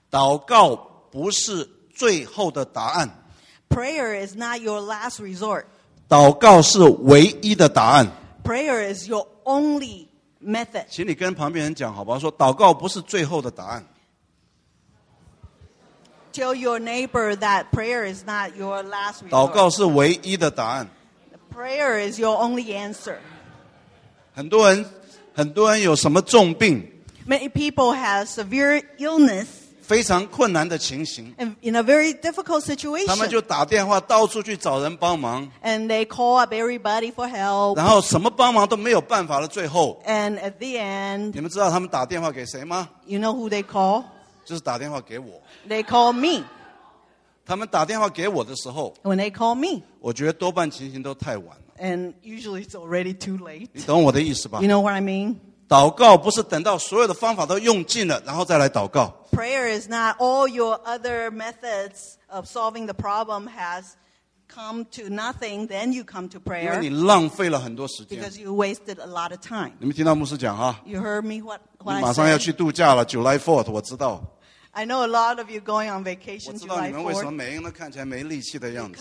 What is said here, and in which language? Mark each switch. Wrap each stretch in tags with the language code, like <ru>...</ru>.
<zh>祷告不是最后的答案。</zh> <en>Prayer is not your last resort.</en> <zh>祷告是唯一的答案。</zh> <en>Prayer is your only method.</en> <zh>请你跟旁边人讲好吧, 说, 祷告不是最后的答案。</zh> <en>Tell your neighbor that prayer is not your last resort.</en> <zh>祷告是唯一的答案。</zh> <en>Prayer is your only answer.</en> <zh>很多人有什么重病。</zh> <en>Many people have severe illness.</en> <zh>非常困难的情形,</zh> <en>in a very difficult situation.</en> <zh>他们就打电话, 到处去找人帮忙,</zh> <en>and they call up everybody for help.</en> <zh>然后什么帮忙都没有办法了, 最后,</zh> <en>and at the end,</en> <zh>你们知道他们打电话给谁吗?</zh> <en>You know who they call?</en> <zh>就是打电话给我。</zh> <en>They call me.</en> <zh>他们打电话给我的时候,</zh> <en>when they call me,</en> <zh>我觉得多半情形都太晚了。</zh> <en>And usually it's already too late.</en> <zh>你懂我的意思吧?</zh> <en>You know what I mean?</en> <zh>祷告不是等到所有的方法都用尽了, 然后再来祷告。</zh> <en>Prayer is not all your other methods of solving the problem has come to nothing, then you come to prayer. Because you wasted a lot of time.</en> <zh>你们听到牧师讲啊?</zh> <en>You heard me what I said.</en> <zh>你马上要去度假了, July 4th, 我知道。</zh> <en>I know a lot of you going on vacation July 4th.</en> <zh>我知道你们为什么每一个人都看起来没力气的样子。</zh>